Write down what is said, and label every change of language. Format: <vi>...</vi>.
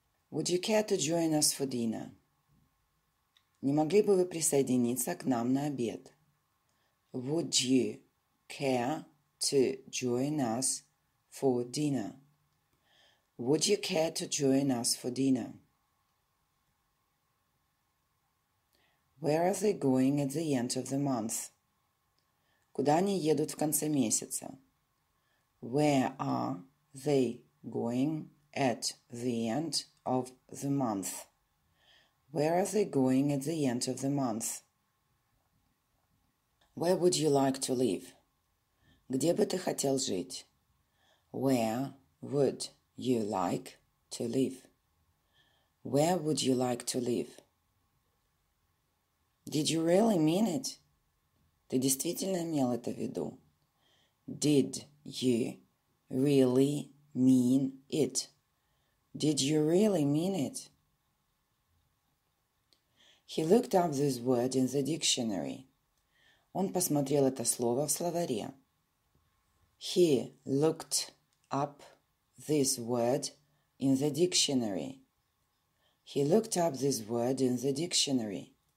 <en>Would you care to join us for dinner?</en> <ru>Не могли бы вы присоединиться к нам на обед?</ru> <en>Would you care to join us for dinner? Would you care to join us for dinner? Where are they going at the end of the month?</en> <ru>Куда они едут в конце месяца?</ru> <en>Where are they going at the end of the month? Where are they going at the end of the month? Where would you like to live?</en> <ru>Где бы ты хотел жить?</ru> <en>Where would you like to live? Where would you like to live? Did you really mean it?</en> <ru>Ты действительно имел это в виду?</ru> <en>Did you really mean it? Did you really mean it? He looked up this word in the dictionary.</en> <ru>Он посмотрел это слово в словаре.</ru> <en>He looked up this word in the dictionary. He looked up this word in the dictionary.</en>